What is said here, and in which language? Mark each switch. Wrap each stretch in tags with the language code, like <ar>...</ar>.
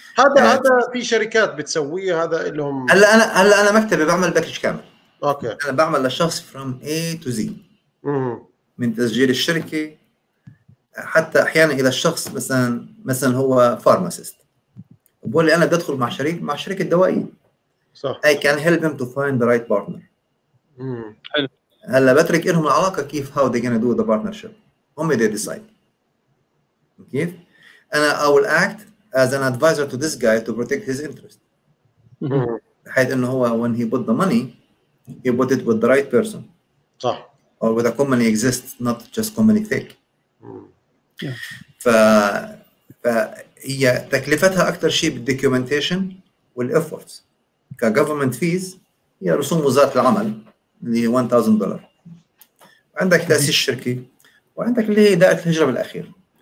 <ar>هذا في شركات بتسويه هذا لهم. هلا أنا مكتبي بعمل باكج كامل. أوكي. أنا بعمل للشخص</ar> <en>from A to Z.</en> <ar>من تسجيل الشركة، حتى أحيانا إذا الشخص مثلا هو فارماسيست بقول لي أنا بدي أدخل مع شركة دوائية، صح،</ar> <en>I can help him to find the right partner.</en> <ar>هلا بترك إلهم العلاقة كيف</ar> <en>how they gonna do the partnership،</en> <ar>هم</ar> <en>they decide</en> <ar>كيف.</ar> <en>أنا I will act as an advisor to this guy to protect his interest،</en> <ar>بحيث إنه هو</ar> <en>when he put the money he put it with the right person،</en> <ar>صح،</ar> <en>or with a company exists not just company fake.</en> <ar>فهي تكلفتها أكثر شيء بالدوكيومنتيشن والإفورتس كـ</ar> <en>government fees،</en> <ar>هي رسوم وزارة العمل اللي هي $1,000، عندك تأسيس الشركة، وعندك اللي هي دائرة الهجرة بالأخير.</ar>